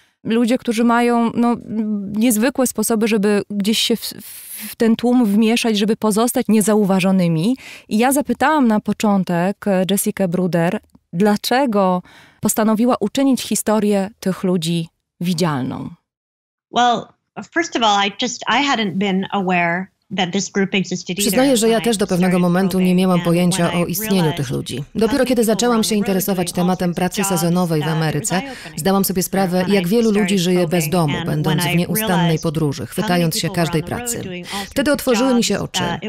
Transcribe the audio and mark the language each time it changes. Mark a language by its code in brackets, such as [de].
[pl] Ludzie, którzy mają no, niezwykłe sposoby, żeby gdzieś się w ten tłum wmieszać, żeby pozostać niezauważonymi. I ja zapytałam na początek Jessica Bruder, dlaczego postanowiła uczynić historię tych ludzi widzialną. [en] Well, first of all, I hadn't been aware. [pl] Przyznaję, że ja też do pewnego momentu nie miałam pojęcia o istnieniu tych ludzi. Dopiero kiedy zaczęłam się interesować tematem pracy sezonowej w Ameryce, zdałam sobie sprawę, jak wielu ludzi żyje bez domu, będąc w nieustannej podróży, chwytając się każdej pracy. Wtedy otworzyły mi się oczy.